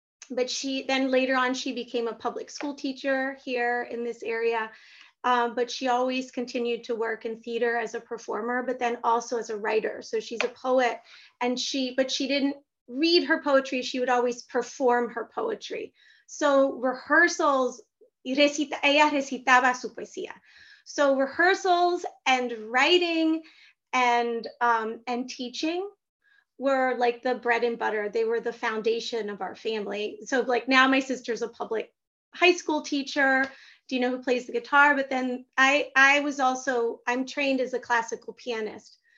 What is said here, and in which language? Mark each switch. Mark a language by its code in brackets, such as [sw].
[en] But she then later on, she became a public school teacher here in this area. But she always continued to work in theater as a performer, but then also as a writer. So she's a poet, but she didn't read her poetry. She would always perform her poetry. So rehearsals, [es] ella recitaba su poesía. [en] So rehearsals and writing and teaching were like the bread and butter. They were the foundation of our family. So like now my sister's a public high school teacher. Do you know who plays the guitar? But then I was also, I'm trained as a classical pianist.